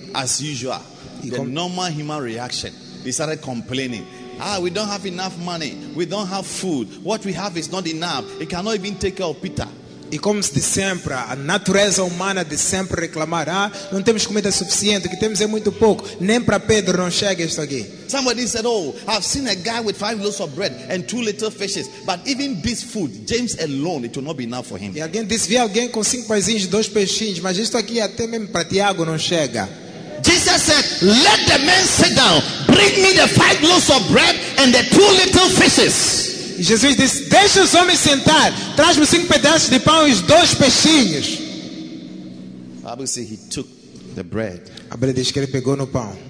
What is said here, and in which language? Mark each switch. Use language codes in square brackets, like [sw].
[en] As usual, the normal human reaction. He started complaining. Ah, we don't have enough money. We don't have food. What we have is not enough. It cannot even take care of Peter. [pt] E como de sempre, a natureza humana de sempre reclamar: ah, não temos comida suficiente, o que temos é muito pouco. Nem para Pedro não chega isto aqui. [en] Somebody said, "Oh, I've seen a guy with 5 loaves of bread and 2 little fishes, but even this food, James alone, it will not be enough for him." [pt] E alguém disse: vi alguém com 5 pãezinhos e 2 peixinhos, mas isto aqui até mesmo para Tiago não chega. [en] Jesus said, "Let the man sit down, bring me the 5 loaves of bread and the 2 little fishes." [pt] Jesus disse: deixa os homens sentar, traz-me 5 pedaços de pão e os 2 peixinhos. A Bíblia diz, [en] he took the bread. [pt] A Bíblia diz que ele pegou no pão.